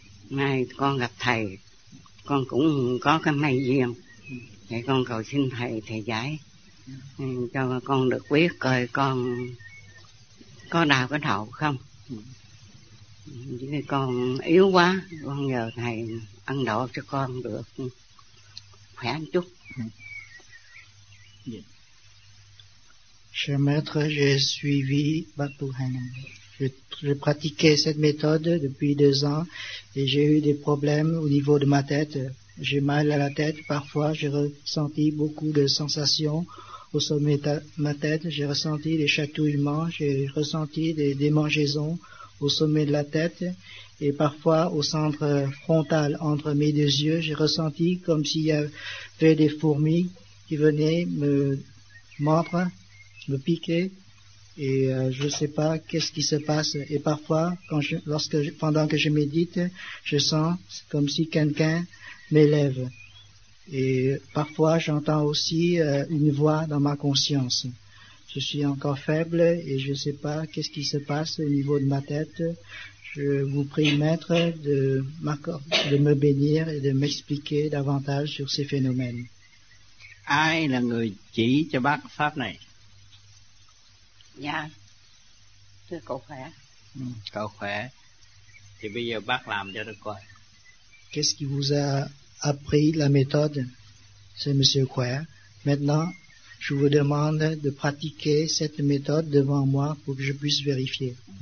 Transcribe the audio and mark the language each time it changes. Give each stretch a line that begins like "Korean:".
Vietnamese: Nay con gặp thầy, con cũng có cái may duyên, vậy con cầu xin thầy giải cho con được biết coi con có đau cái đầu không. Chứ con yếu quá, con nhờ thầy ăn đậu cho con được khỏe một chút.
French: Cher maître, j'ai suivi Bapu Hanam. J'ai pratiqué cette méthode depuis 2 ans et j'ai eu des problèmes au niveau de ma tête. J'ai mal à la tête, parfois j'ai ressenti beaucoup de sensations au sommet de ma tête. J'ai ressenti des chatouillements, j'ai ressenti des démangeaisons au sommet de la tête et parfois au centre frontal, entre mes deux yeux. J'ai ressenti comme s'il y avait des fourmis qui venaient me mordre, me piquer. Et je ne sais pas qu'est-ce qui se passe. Et parfois, pendant que je médite, je sens comme si quelqu'un m'élève. Et parfois, j'entends aussi une voix dans ma conscience. Je suis encore faible et je ne sais pas qu'est-ce qui se passe au niveau de ma tête. Je vous prie, Maître, de me bénir et de m'expliquer davantage sur ces phénomènes.
Vietnamese: Ai là người chỉ cho bác pháp này? Dạ, thưa cậu khỏe. Cậu khỏe. Thì bây giờ bác làm cho được coi.
French: Qu'est-ce qui vous a appris la méthode? C'est Monsieur Khỏe. Maintenant, je vous demande de pratiquer cette méthode devant moi pour que je puisse vérifier.